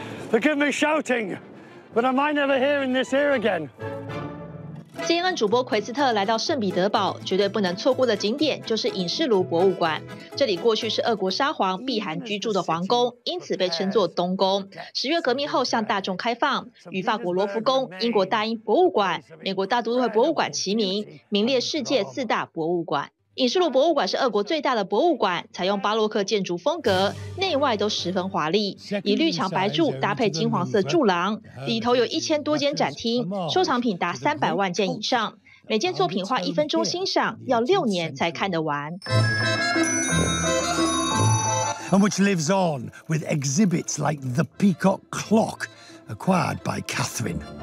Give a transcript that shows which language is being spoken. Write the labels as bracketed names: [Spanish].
[English] Forgive me shouting, but I might never hear in this ear again. [Chinese] CNN 主播奎斯特来到圣彼得堡，绝对不能错过的景点就是影视炉博物馆。这里过去是俄国沙皇避寒居住的皇宫，因此被称作冬宫。十月革命后向大众开放，与法国罗浮宫、英国大英博物馆、美国大都会博物馆齐名，名列世界四大博物馆。影视炉博物馆是俄国最大的博物馆，采用巴洛克建筑风格，内外都十分华丽，以绿墙白柱搭配金黄色柱廊，里头有1000多间展厅，收藏品达300万件以上，每件作品花1分钟欣赏，要6年才看得完。 [English] And which lives on with exhibits like the Peacock Clock, acquired by Catherine.